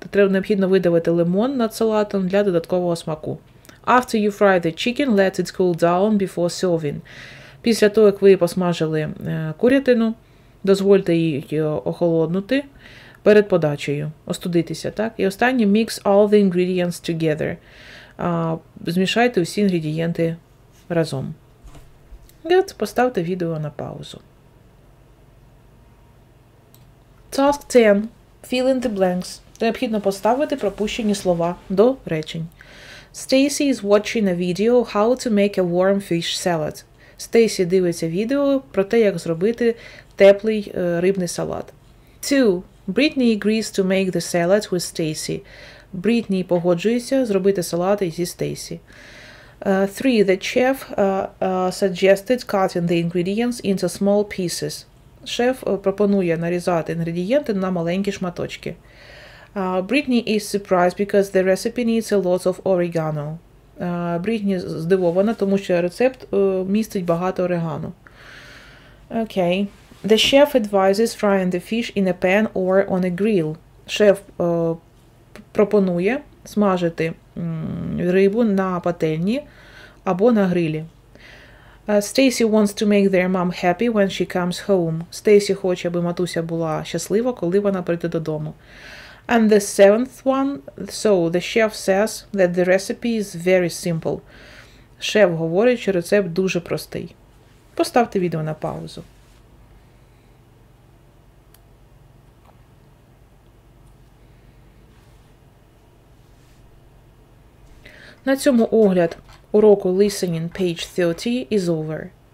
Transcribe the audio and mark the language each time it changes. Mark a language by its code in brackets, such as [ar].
[uk] Необхідно видавити лимон над салатом для додаткового смаку. [en] After you fry the chicken, let it cool down before serving. [uk] Після того, як ви посмажили курятину, дозвольте її охолоднути перед подачею, остудитися, так? І останнє, [en] mix all the ingredients together. [uk] Змішайте усі інгредієнти разом. Good, поставте відео на паузу. [en] Task 10. Fill in the blanks. [uk] Необхідно поставити пропущені слова до речень. [en] Stacy is watching a video how to make a warm fish salad. [uk] Стейсі дивиться відео про те, як зробити теплий рибний салат. 2. [en] Brittany agrees to make the salad with Stacy. [uk] Брітні погоджується зробити салат зі Стейсі. 3. [en] The chef suggested cutting the ingredients into small pieces. [uk] Шеф пропонує нарізати інгредієнти на маленькі шматочки. [en] Brittany is surprised because the recipe needs a lot of oregano. [uk] Брітні здивована, тому що рецепт містить багато орегано. [en] Okay. The chef advises frying the fish in a pan or on a grill. [uk] Шеф пропонує смажити рибу на пательні або на грилі. [en] Stacy wants to make their mom happy when she comes home. [uk] Стейсі хоче, аби матуся була щаслива, коли вона прийде додому. [en] And the seventh one, so the chef says that the recipe is very simple. [uk] Шеф говорить, що рецепт дуже простий. Поставте відео на паузу. На цьому огляд уроку [en] Listening Page 30 is over.